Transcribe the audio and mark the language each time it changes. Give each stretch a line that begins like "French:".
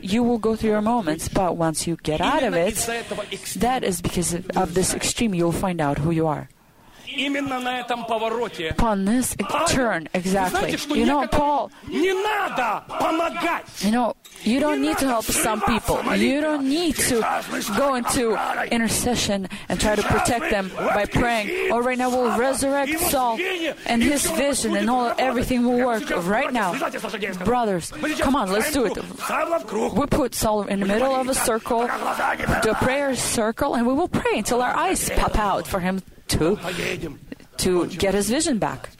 English: You will go through your moments, but once you get out of it, that is because of this extreme, you'll find out who you are.
Russian: именно на этом повороте.
English: Upon this turn, exactly.
Russian: Знаете,
English: you know,
Russian: Paul, не надо помогать.
English: You know, you don't need to help some people. You don't need to go into intercession and try to protect them by praying. Or right now we'll resurrect Saul and his vision and all everything will work right now. Brothers, come on, let's do it. We put Saul in the middle of a circle, the prayer circle, and we will pray until our eyes pop out for him to get his vision back.